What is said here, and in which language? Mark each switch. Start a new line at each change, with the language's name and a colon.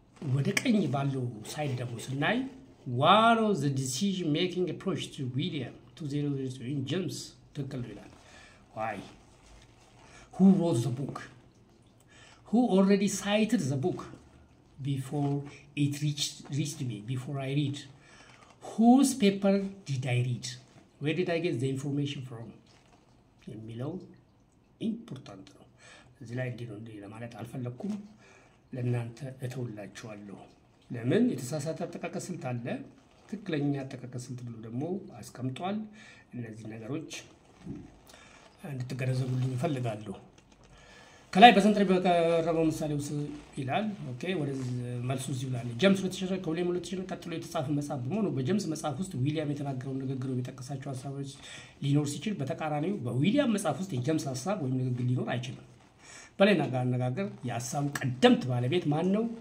English: ወደ ቀኝ ባለው ሳይድ ደግሞ ስናይ ዋን ኦፍ ዘ ዲሲዥን ሜኪንግ አፕሮች ቱ ዊሊያም 2002 ኢን ጀምስ ትክክል ነው ይላል። ዋይ ሁ ሮት ዘ ቡክ who already cited the book before it reached me, before I read. Whose paper did I read? Where did I get the information from?
Amharic: የሚለው ኢምፖርታንት ነው። እዚህ ላይ እንዲህ ነው እንዲህ ለማለት አልፈለግኩም፣ ለእናንተ እተውላችኋለሁ። ለምን? የተሳሳተ አጠቃቀስ ስልት አለ፣ ትክክለኛ አጠቃቀስ ስልት ብሎ ደግሞ አስቀምጧል። እነዚህ ነገሮች እንድትገነዘቡልኝ እፈልጋለሁ። ከላይ በሰንጠረዥ በቀረበው ምሳሌ ውስጥ ይላል። ኦኬ፣ ወደ መልሱ እዚህ ብላለ። ጀምስ 2014 ከዊሊያም 2002 ቀጥሎ የተጻፈ መጽሐፍ በመሆኑ በጀምስ መጽሐፍ ውስጥ ዊሊያም የተናገረው ንግግር ወይም የጠቀሳቸው ሀሳቦች ሊኖር ሲችል፣ በተቃራኒው በዊሊያም መጽሐፍ ውስጥ የጀምስ ሀሳብ ወይም ንግግር ሊኖር አይችልም። በሌላ አነጋገር የሀሳቡ ቀደምት ባለቤት ማን ነው?